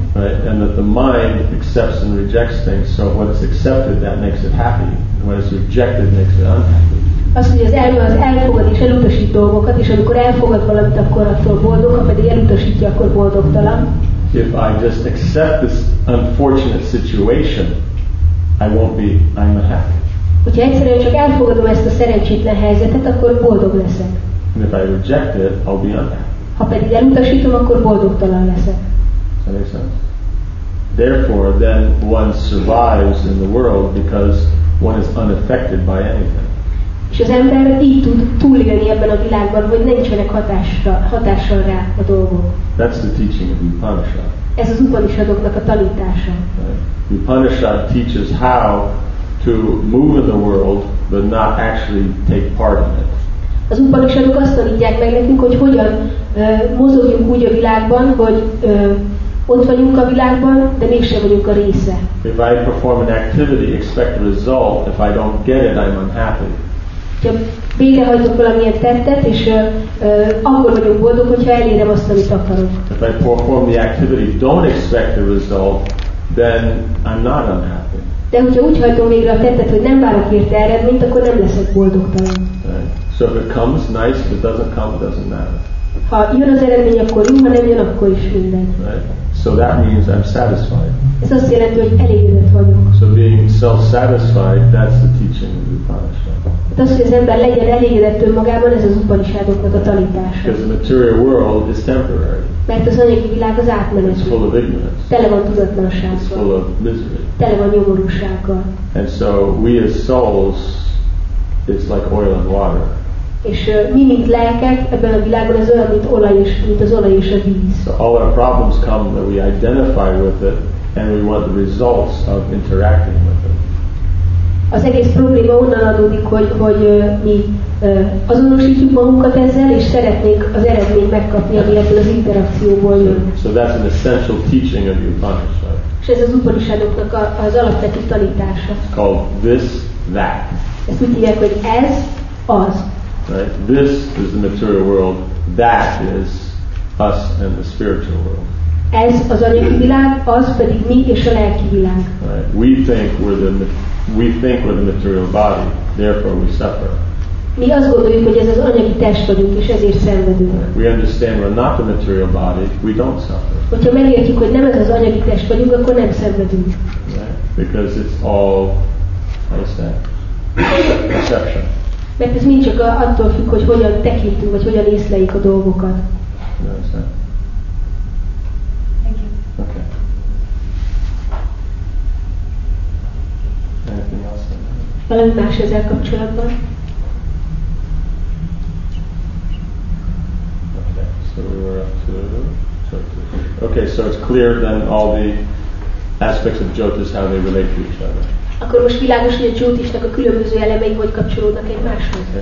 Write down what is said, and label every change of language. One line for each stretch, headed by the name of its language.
English: Right, and that the mind accepts and rejects things, so what is accepted, that makes it happy. What is rejected makes it unhappy.
Hungarian: Az, hogy az elme az elfogad és elutasít dolgokat, és amikor elfogad valamit, akkor attól boldog, ha pedig elutasítja, akkor boldogtalan.
English: If I just accept this unfortunate situation, I won't be, I'm not happy.
Hungarian: Hogyha egyszerűen csak elfogadom ezt a szerencsétlen helyzetet, akkor boldog leszek.
English: And if I reject it, I'll be unhappy.
Hungarian: Ha pedig elutasítom, akkor boldogtalan leszek.
English: Does that make sense? Therefore, then one survives in the world because one is unaffected by anything.
Hungarian: És az ember így tud túlélni ebben a világban, hogy nincsenek hatással rá a dolgok.
English: That's the teaching of Upanishad.
Hungarian: Ez az Upanishadoknak a tanítása.
English: Right. Upanishad teaches how to move in the world, but not actually take part in it.
Hungarian: Az Upanishadok azt tanítják meg nekünk, hogy hogyan mozogjunk úgy a világban, hogy ott vagyunk a világban, de mégsem vagyunk a része.
English: If I perform an activity, expect a result. If I don't get it, I'm unhappy.
Hungarian: Ha végrehajtok valamilyen tettet, és akkor vagyok boldog, hogyha elérem azt, amit akarok.
English: If I perform the activity, don't expect the result, then I'm not unhappy.
Hungarian: De hogyha úgy hajtom végre a tettet, hogy nem várok érte eredményt, akkor nem leszek boldogtalan.
English: Right. So if it comes, nice, if it doesn't come, it doesn't matter.
Hungarian: Ha jön az eredmény, akkor jó, ha nem jön, akkor is minden.
English: Right. So that means I'm satisfied.
Hungarian: Ez azt jelenti, hogy elégedett vagyok.
English: So being self-satisfied, that's the teaching of Upanishad.
Hungarian: Tehát az, hogy az ember legyen elégedett önmagában, ez az Upanishadoknak a tanítása.
English: Because the material world is temporary.
Hungarian: Mert az anyagi világ az átmeneti.
English: It's full of ignorance.
Hungarian: Tele van tudatlansággal.
English: It's full of misery.
Hungarian: Tele van nyomorúsággal.
English: And so we as souls, it's like oil and water.
Hungarian: És mi, mint lelkek, ebben a világban ez olyan, mint az olaj és a víz.
English: So all our problems come that we identify with it, and we want the results of interacting with it.
Hungarian: Az egész probléma onnan adódik, hogy mi azonosítjuk magunkat ezzel, és szeretnék az eredményt megkapni, ami ebből az interakcióból jön.
English: So that's an essential teaching of Upanishad.
Hungarian: És ez az Upanishadoknak az alapvető tanítása.
English: It's called this, that.
Hungarian: Ezt úgy hívják, hogy ez, az.
English: Right? This is the material world. That is us and the spiritual world.
Hungarian: Ez az anyagi világ, az pedig mi és a lelki világ.
English: Right? We think we're the material body. Therefore, we suffer.
Hungarian: Mi azt gondoljuk, hogy ez az anyagi test vagyunk, és ezért szenvedünk.
English: We understand we're not the material body, we don't suffer.
Hungarian: Hogyha megértjük, hogy nem ez az anyagi test vagyunk, akkor nem szenvedünk.
English: Right? Because it's all, how is that? Perception.
Hungarian: Mert ez mind csak attól függ, hogy hogyan tekintünk, vagy hogyan észleljük a dolgokat.
English: You understand? Thank you. Okay. Anything else?
Hungarian: Valami más ezzel kapcsolatban?
English: So we were up to okay, so it's clear then all the aspects of Jyotis, how they relate to each other.
Hungarian: Akkor most világos, hogy a Jyotisnak a különböző elemei hogy kapcsolódnak egymáshoz.